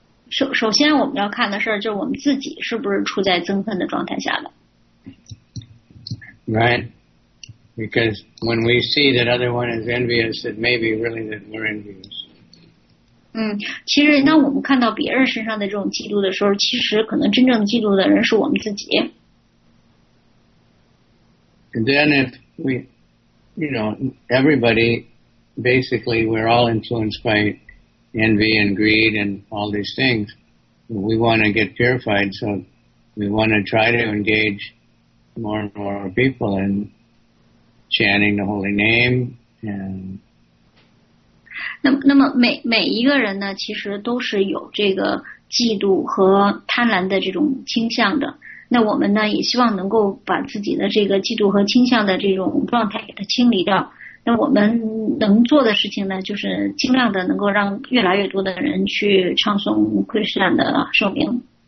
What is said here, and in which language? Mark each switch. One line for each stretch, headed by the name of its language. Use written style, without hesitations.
Chinese: 首先，我们要看的事儿就是我们自己是不是处在憎恨的状态下的。
English: Right? Because when we see that other one is envious, it may be really that we're envious.
Chinese: 其实当我们看到别人身上的这种嫉妒的时候，其实可能真正嫉妒的人是我们自己。
English: And then if we, you know, everybody, basically we're all influenced by envy and greed and all these things. We want to get purified, so we want to try to engage more and more people in chanting the holy name and
Chinese: 那么每一个人呢，其实都是有这个嫉妒和贪婪的这种倾向的。那我们呢，也希望能够把自己的这个嫉妒和倾向的这种状态给它清理掉。那我们能做的事情呢，就是尽量的能够让越来越多的人去唱诵 Krishna 的圣名。